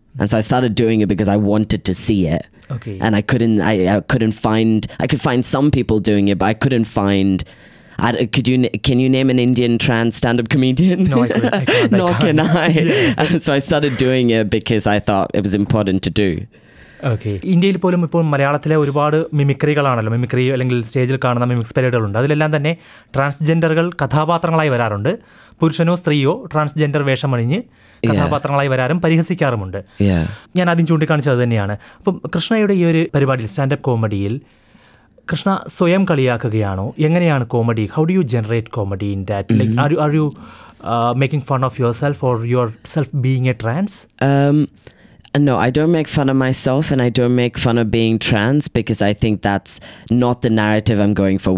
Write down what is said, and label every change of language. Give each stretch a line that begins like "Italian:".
English: And so I started doing it because I wanted to see it. Okay. And I could find some people doing it, but I couldn't find, can you name an Indian trans stand-up comedian? No, I can't. Nor can I. Yeah. So I started doing it because I thought it was important to do.
Malayalam: Okay, ഇന്ത്യയിൽ പോലും ഇപ്പോൾ മലയാളത്തിലെ ഒരുപാട് മിമിക്രികളാണല്ലോ, mimicry അല്ലെങ്കിൽ സ്റ്റേജിൽ കാണുന്ന mimics പരേഡുകളുണ്ട്. അതിലെല്ലാം തന്നെ ട്രാൻസ്ജെൻഡറുകൾ കഥാപാത്രങ്ങളായി വരാറുണ്ട്. പുരുഷനോ സ്ത്രീയോ ട്രാൻസ്ജെൻഡർ വേഷമണിഞ്ഞ് കഥാപാത്രങ്ങളായി വരാറും പരിഹസിക്കാറുമുണ്ട്. ഞാൻ ആദ്യം ചൂണ്ടിക്കാണിച്ചത് തന്നെയാണ്. അപ്പം കൃഷ്ണയുടെ ഈ ഒരു പരിപാടിയിൽ, സ്റ്റാൻഡപ്പ് കോമഡിയിൽ, കൃഷ്ണ സ്വയം കളിയാക്കുകയാണോ? എങ്ങനെയാണ് comedy?
English: How do you generate comedy in that? Like are you making fun of yourself or yourself being a trans? No, I don't make fun of myself and I don't make fun of being trans because I think that's not the narrative I'm going for.